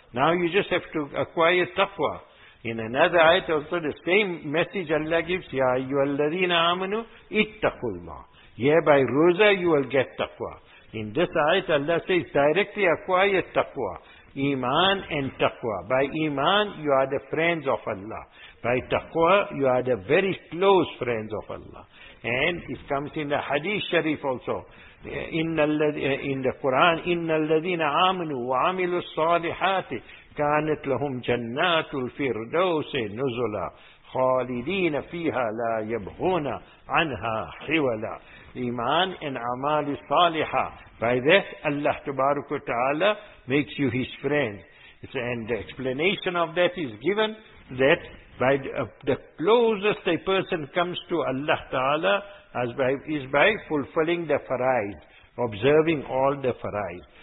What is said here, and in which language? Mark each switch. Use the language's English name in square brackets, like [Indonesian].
[English] Now you just have to acquire taqwa. In another ayat also the same message Allah gives, [Arabic] يَا أَيُّهَا الَّذِينَ آمَنُوا اِتَّقُوا اللَّهِ. [English] Yeah, by roza you will get taqwa. In this ayat Allah says directly acquire taqwa. Iman and taqwa. By iman you are the friends of Allah. By taqwa you are the very close friends of Allah. And it comes in the hadith sharif also. In the Quran, [Arabic] إِنَّ الَّذِينَ آمَنُوا وَعَمِلُوا الصَّالِحَاتِ كانت لهم جنات الفردوس نزلا خالدين فيها لا يبغون عنها حولا. [English] Iman and amal saliha. By this Allah tabarak wa ta'ala makes you his friend. And the explanation of that is given, that by the closest a person comes to Allah ta'ala is by fulfilling the faraid, observing all the faraid.